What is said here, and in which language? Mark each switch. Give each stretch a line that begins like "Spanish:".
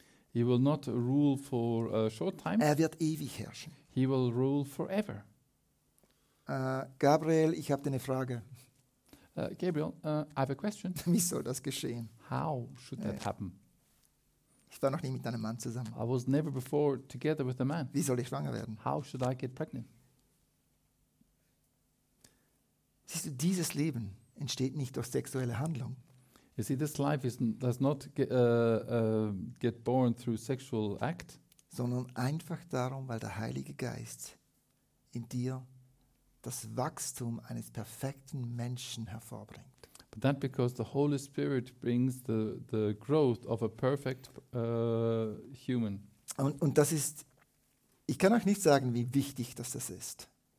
English: He will not rule for a short time.
German: Er wird ewig herrschen.
English: He will rule forever.
German: Gabriel, ich habe eine Frage.
English: Gabriel, I have a question.
German: Wie soll das geschehen?
English: How should that happen?
German: Ich war noch nie mit einem Mann zusammen.
English: I was never before together with a man.
German: Wie soll ich schwanger werden?
English: How should I get pregnant?
German: Siehst du, dieses Leben entsteht nicht durch sexuelle Handlung.
English: You see, this life does not get born through sexual act.
German: Sondern einfach darum, weil der Heilige Geist in dir das Wachstum eines perfekten Menschen hervorbringt.
English: But that because the Holy Spirit brings the growth of a perfect human.
German: Und das ist, ich kann auch nicht sagen, wie wichtig das ist.